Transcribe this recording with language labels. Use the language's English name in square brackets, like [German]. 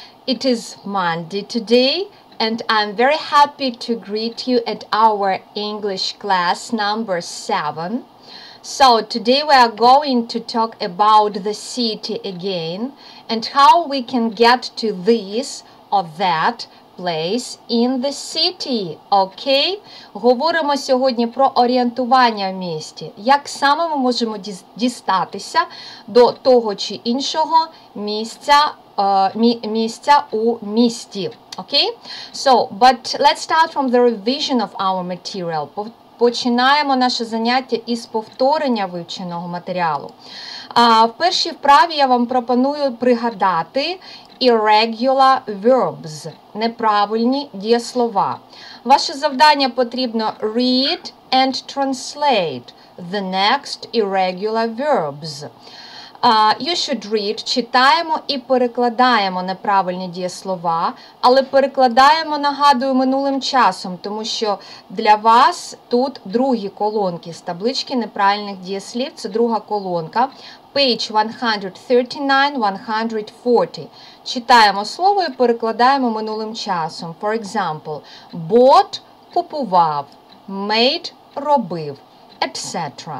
[English] It is Monday today, and I'm very happy to greet you at our English class number 7. So today we are going to talk about the city again and how we can get to this or that place in the city, okay? [Ukrainian] Говоримо сьогодні про орієнтування в місті. Як саме ми можемо дістатися до того чи іншого місця, місця у місті, okay? [English] So, but let's start from the revision of our material. [Ukrainian] Починаємо наше заняття із повторення вивченого матеріалу. В першій вправі я вам пропоную пригадати [English] irregular verbs [Ukrainian] – неправильні дієслова. Ваше завдання потрібно [English] read and translate the next irregular verbs. You should read [Ukrainian] – читаємо і перекладаємо неправильні дієслова, але перекладаємо, нагадую, минулим часом, тому що для вас тут другі колонки з таблички неправильних дієслів – це друга колонка. [English] Page 139-140. [Ukrainian] Читаємо слово і перекладаємо минулим часом. [English] For example, bought – купував, made – робив, etc.